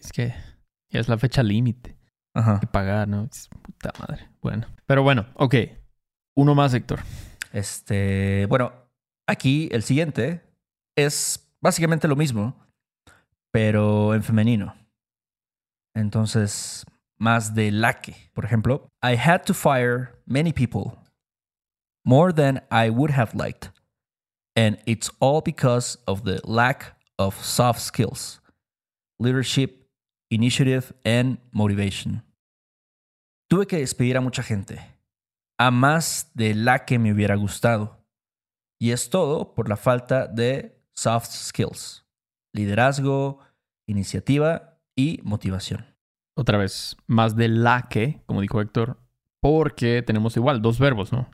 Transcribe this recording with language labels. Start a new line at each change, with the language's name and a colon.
Spanish: Es que ya es la fecha límite. Ajá. Que pagar, ¿no? Es puta madre. Bueno. Pero bueno, ok. Uno más, Héctor. Bueno, aquí el siguiente es básicamente lo mismo, pero en femenino. Entonces, más de la que.
English: Por ejemplo, I had to fire many people. More than I would have liked. And it's all because of the lack of soft skills, leadership, initiative, and motivation.
Spanish: Tuve que despedir a mucha gente, a más de la que me hubiera gustado. Y es todo por la falta de soft skills, liderazgo, iniciativa y motivación. Otra vez, más de la que, como dijo Héctor, porque tenemos igual dos verbos, ¿no?